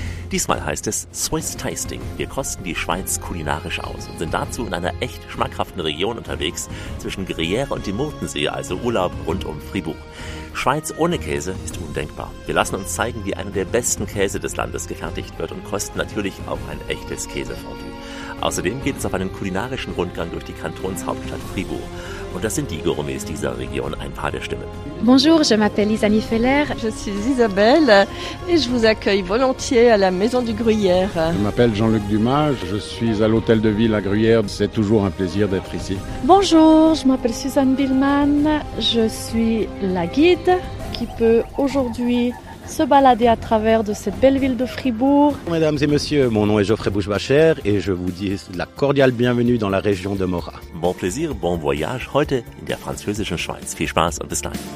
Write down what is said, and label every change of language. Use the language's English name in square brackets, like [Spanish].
[German] Diesmal heißt es Swiss Tasting. Wir kosten die Schweiz kulinarisch aus und sind dazu in einer echt schmackhaften Region unterwegs, zwischen Gruyère und dem Murtensee, also Urlaub rund um Fribourg. Schweiz ohne Käse ist undenkbar. Wir lassen uns zeigen, wie einer der besten Käse des Landes gefertigt wird und kosten natürlich auch ein echtes Käsefondue. Außerdem geht es auf einen kulinarischen Rundgang durch die Kantonshauptstadt Fribourg. Und das sind die Gourmets dieser Region, ein paar der Stimmen. [French] Bonjour, je m'appelle Isani Feller. Je suis Isabelle et je vous accueille volontiers à la Maison du Gruyère. Je m'appelle Jean-Luc Dumas, je suis à l'Hôtel de Ville à Gruyère. C'est toujours un plaisir d'être ici. Bonjour, je m'appelle Suzanne Billman. Je suis la guide qui peut aujourd'hui se balader à travers de cette belle ville de Fribourg. Mesdames et messieurs, mon nom est Geoffrey Bouchbacher et je vous dis la cordiale bienvenue dans la région de Mora. Bon plaisir, bon voyage, [German] heute in der französischen Schweiz. Viel Spaß und bis dann.